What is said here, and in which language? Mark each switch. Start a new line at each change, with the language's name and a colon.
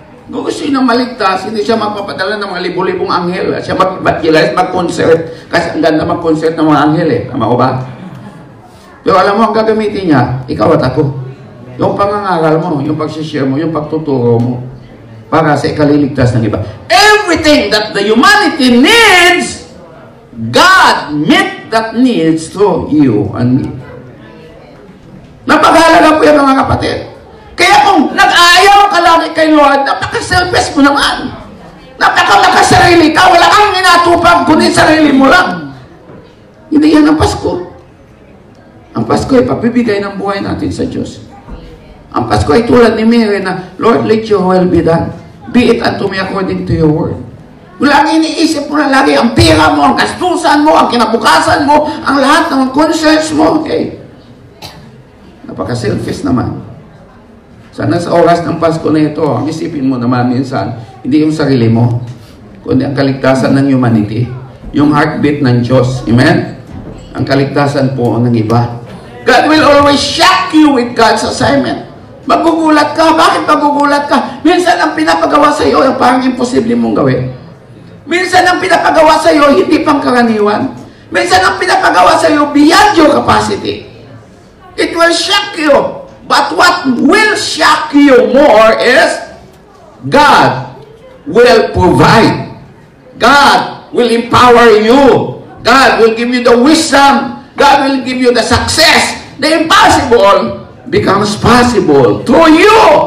Filipino: Kung gusto niya maligtas, hindi siya magpapadala ng mga libu-libong anghel. Siya mag-kilalit, mag-concert. Kasi ang ganda mag-concert ng mga anghel eh. Tama ba? Pero alam mo ang gagamitin niya, ikaw at ako. Yung pangangaral mo, yung pagsishare mo, yung pagtuturo mo. Para sa ikaliligtas ng iba.
English: Everything that the humanity needs, God met that needs through you and me.
Filipino: Napakahalaga po yan mga kapatid. Kaya kung nag-aayaw ka lagi kay Lord, napaka-selfish mo naman. Napaka-sarili ka, wala kang inatupang kundi sarili mo lang. Hindi yan ang Pasko. Ang Pasko ay pagbibigay ng buhay natin sa Diyos. Ang Pasko ay tulad ni Mary na, Lord,
English: let your will be done. Be it unto me according to your word.
Filipino: Walang iniisip mo na lagi ang pera mo, ang gastusan mo, ang kinabukasan mo, ang lahat ng conscience mo. Okay. Napaka-selfish naman. Sana sa oras ng Pasko na ito, ang isipin mo naman minsan, hindi yung sarili mo, kundi ang kaligtasan ng humanity, yung heartbeat ng Diyos. Amen? Ang kaligtasan po ng iba.
English: God will always shock you with God's assignment.
Filipino: Magugulat ka. Bakit magugulat ka? Minsan ang pinapagawa sa iyo ang parang imposible mong gawin. Minsan ang pinapagawa sa iyo hindi pang karaniwan. Minsan ang pinapagawa sa iyo
English: beyond your capacity. It will shock you. But what will shock you more is God will provide. God will empower you. God will give you the wisdom. God will give you the success. The impossible becomes possible through you.